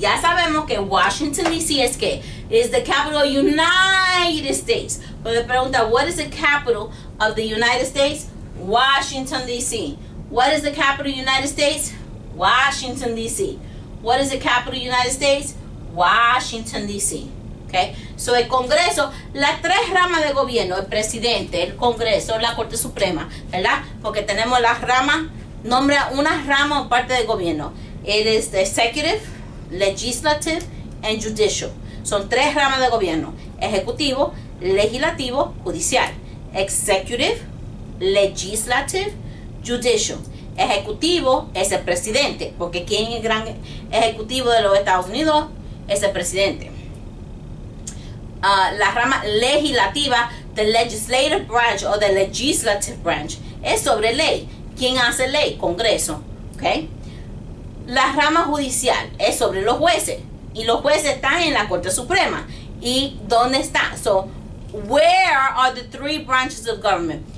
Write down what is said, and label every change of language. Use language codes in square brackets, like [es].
[es] Ya sabemos que Washington, D.C. es que [en] is the capital of the United States. [es] Pero le pregunta, [en] what is the capital of the United States? Washington, D.C. What is the capital of the United States? Washington, D.C. What is the capital of the United States? Washington, D.C. Okay? [es] So, el Congreso, las tres ramas de gobierno, el presidente, el Congreso, la Corte Suprema, ¿verdad? Porque tenemos las ramas. Nombra una rama o parte del gobierno. [en] It is the executive, legislative, and judicial. [es] Son tres ramas de gobierno. Ejecutivo, legislativo, judicial. [en] Executive, legislative, judicial. [es] Ejecutivo es el presidente. Porque ¿quién es el gran ejecutivo de los Estados Unidos? Es el presidente. La rama legislativa, [en] the legislative branch or the legislative branch, [es] es sobre ley. ¿Quién hace ley? Congreso. Okay. La rama judicial es sobre los jueces. Y los jueces están en la Corte Suprema. ¿Y dónde está? [en] So, where are the three branches of government?